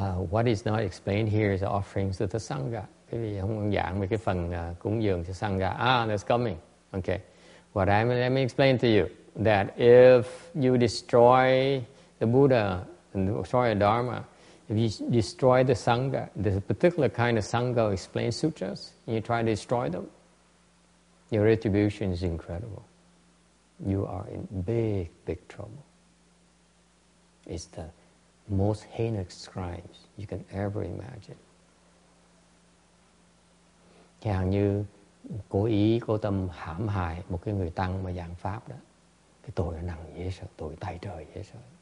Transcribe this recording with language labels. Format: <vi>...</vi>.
<en>What is not explained here is the offerings of the Sangha.</en> <vi>Cái gì không giảng về cái phần cúng dường cho Sangha.</vi> <en>That's coming. Okay. Let me explain to you that if you destroy the Buddha and destroy the Dharma, if you destroy the Sangha, this particular kind of Sangha explained sutras, and you try to destroy them, your retribution is incredible. You are in big, big trouble. It's the most heinous crimes you can ever imagine.</en> <vi>Thì hàng như cố ý, cố tâm hãm hại một cái người tăng mà giảng pháp đó, cái tội nó nặng dễ sợ, tội tay trời dễ sợ.</vi>